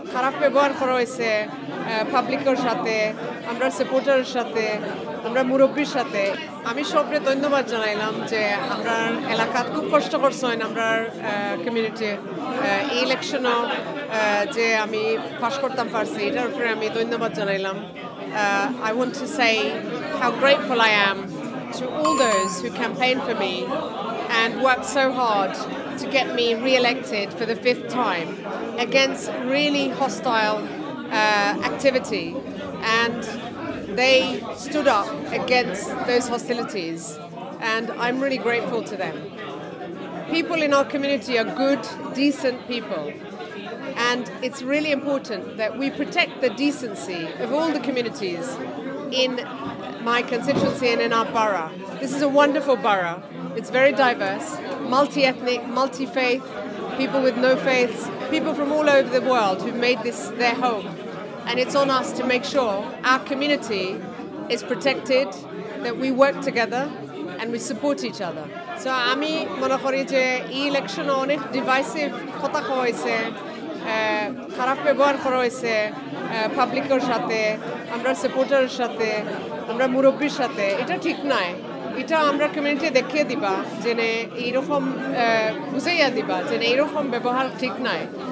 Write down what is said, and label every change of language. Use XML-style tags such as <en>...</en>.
<bn>খারাপ ব্যবহার করা হয়েছে পাবলিকের সাথে, আমরা সাপোর্টারের সাথে, আমরা মুরব্বীর সাথে। আমি সবরে ধন্যবাদ জানাইলাম যে আমরা এলাকাত খুব কষ্ট করছেন, আমরা কমিউনিটি ইলেকশনও যে আমি পাস করতাম পারছি এটার উপরে আমি ধন্যবাদ জানাইলাম।</bn> <en>I want to say how grateful I am to all those who campaigned for me and worked so hard to get me re-elected for the fifth time against really hostile activity, and they stood up against those hostilities, and I'm really grateful to them. People in our community are good, decent people. And it's really important that we protect the decency of all the communities in my constituency and in our borough. This is a wonderful borough. It's very diverse, multi-ethnic, multi-faith, people with no faiths, people from all over the world who've made this their home. And it's on us to make sure our community is protected, that we work together and we support each other.</en> <bn>So আমি মনে করি যে এই election অনেক divisive কথা কইছে, খারাপ ব্যবহার করা হয়েছে পাবলিকের সাথে, আমরা সাপোর্টারের সাথে, আমরা মুরব্বীর সাথে, এটা ঠিক নয়। এটা আমরা কমিউনিটি দেখিয়ে দিবা, জেনে এইরকম বুঝাইয়া দিবা যে এইরকম ব্যবহার ঠিক নয়।</bn>